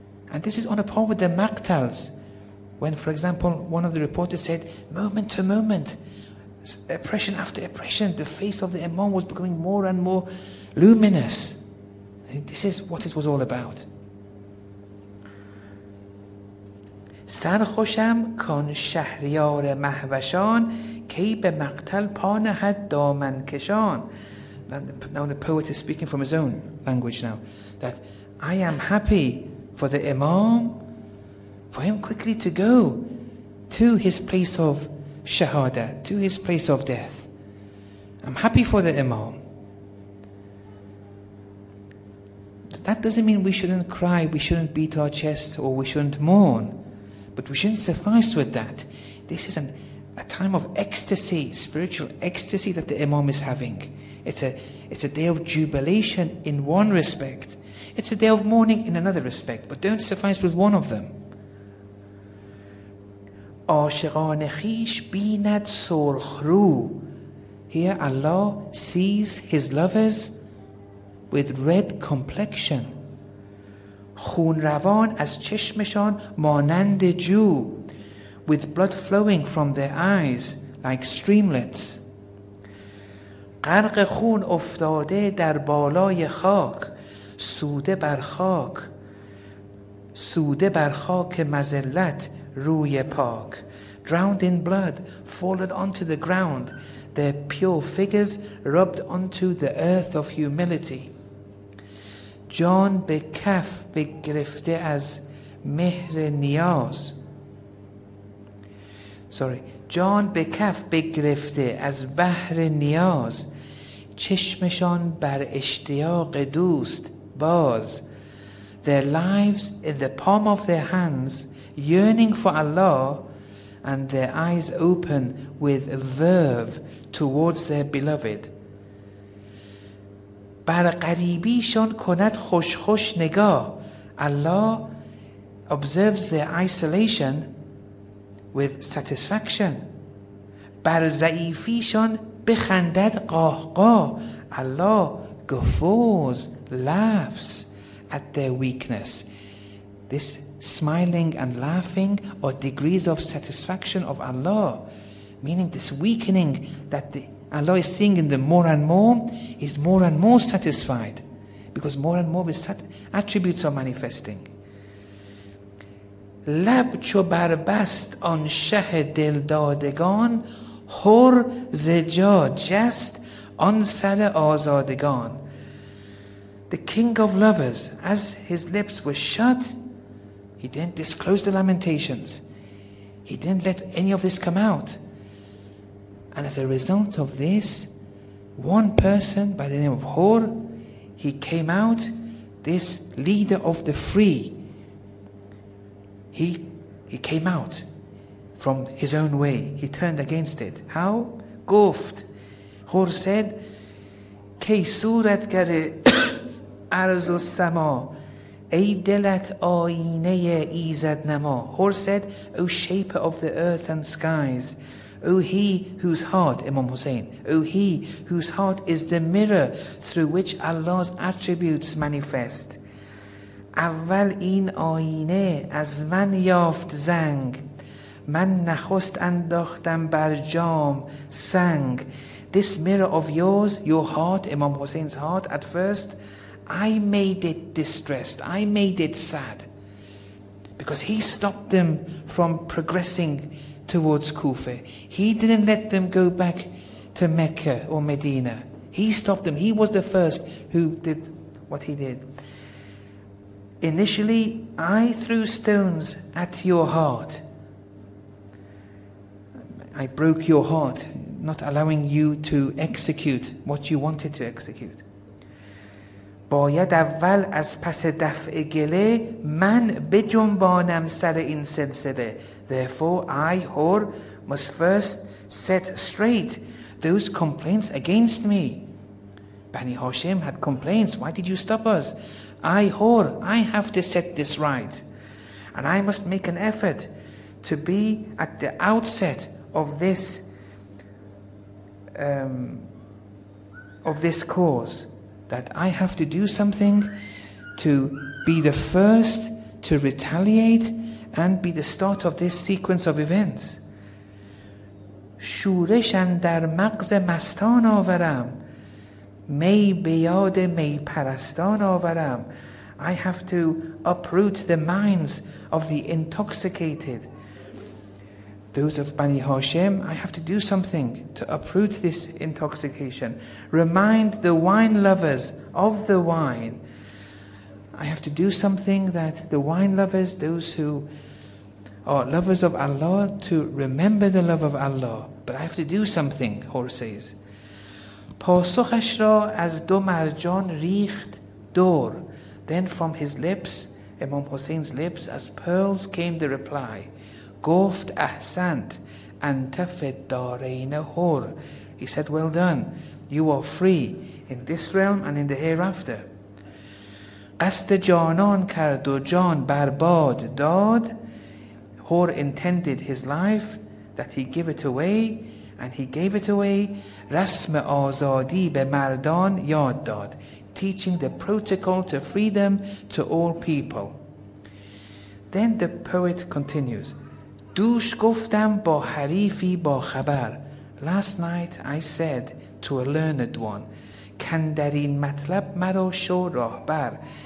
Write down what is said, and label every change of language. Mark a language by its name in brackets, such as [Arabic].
[English] And this is on a par with the maqtals. When, for example, one of the reporters said, moment to moment, oppression after oppression, the face of the Imam was becoming more and more luminous. And this is what it was all about. [Persian] سرخوشم کن شهریار مهوشان کی به مقتل پانهد دامن کشان. [English] Now the poet is speaking from his own language now, that I am happy for the Imam, for him quickly to go to his place of Shahada, to his place of death. I'm happy for the Imam. That doesn't mean we shouldn't cry, we shouldn't beat our chest, or we shouldn't mourn. But we shouldn't suffice with that. This is a time of ecstasy, spiritual ecstasy that the Imam is having. It's a day of jubilation in one respect. It's a day of mourning in another respect. But don't suffice with one of them. [Persian] عاشقان خیش بیند سرخ رو. [English] Here Allah sees his lovers with red complexion. [Persian] خون روان از چشمشان مانند جو. [English] With blood flowing from their eyes like streamlets. [Persian] غرق خون افتاده در بالای خاک. سوده بر خاک. سوده بر خاک مذلت روی پاک. [English] Drowned in blood, fallen onto the ground, their pure figures rubbed onto the earth of humility. [Persian] جان به کف بگرفته از مهر نیاز. جان به کف بگرفته از بحر نیاز. چشمشان بر اشتیاق دوست باز. [English] Their lives in the palm of their hands, yearning for Allah, and their eyes open with verve towards their beloved. [Persian] بر قریبیشان کند خوش خوش نگاه. [English] Allah observes their isolation with satisfaction. [Persian] بر ضعیفیشان بخندد قاه قاه. [English] Allah guffaws, laughs at their weakness. This smiling and laughing are degrees of satisfaction of Allah, meaning this weakening that Allah is seeing in them more and more, is more and more satisfied, because more and more his attributes are manifesting. [Persian] لب چو بربست آن شه دلدادگان هر زجا جست آن سر آزادگان. [English] The king of lovers, as his lips were shut, he didn't disclose the lamentations. He didn't let any of this come out. And as a result of this, one person by the name of Hur, he came out, this leader of the free. He came out from his own way. He turned against it. How? [Persian] Goft. [English] Hur said, [Persian] Kay surat gare arz o sama. ای دلت آینه ایزد نما. [English] Hur said, O shaper of the earth and skies, O he whose heart, Imam Hussein, O he whose heart is the mirror through which Allah's attributes manifest. [Persian] اول این آینه از من یافت زنگ. من نخست انداختم بر جام سنگ. [English] This mirror of yours, your heart, Imam Hussein's heart, at first, I made it distressed. I made it sad. Because he stopped them from progressing towards Kufa. He didn't let them go back to Mecca or Medina. He stopped them. He was the first who did what he did. Initially, I threw stones at your heart. I broke your heart, not allowing you to execute what you wanted to execute. [Persian] باید اول از پس دفع گله من بجنبانم سر این سلسله. [English] Therefore, I, Hur, must first set straight those complaints against me. Bani Hashim had complaints. Why did you stop us? I, Hur, I have to set this right. And I must make an effort to be at the outset of this cause. That I have to do something to be the first to retaliate and be the start of this sequence of events. [Persian] شورش اندر مغز مستان آورم می بیاد می پرستان آورم. [English] I have to uproot the minds of the intoxicated. Those of Bani Hashim, I have to do something to uproot this intoxication. Remind the wine lovers of the wine. I have to do something that the wine lovers, those who are lovers of Allah, to remember the love of Allah. But I have to do something, Hor says. [Persian] پاسخش را از دو مرجان ریخت دور. [English] Then from his lips, Imam Hussein's lips, as pearls came the reply. [Persian] گفت [Arabic] احسنت انت فی الدارین [Persian] حر. [English] He said, well done, you are free in this realm and in the hereafter. [Persian] قصد جانان کرد و جان برباد داد. [English] Hor intended his life, that he give it away, and he gave it away. [Persian] رسم آزادی به مردان یاد داد. [English] Teaching the protocol to freedom to all people. Then the poet continues. [Persian] دوش گفتم با حریفی با خبر. [English] Last night I said to a learned one. [Persian] کندرین مطلب مرا شو راهبر.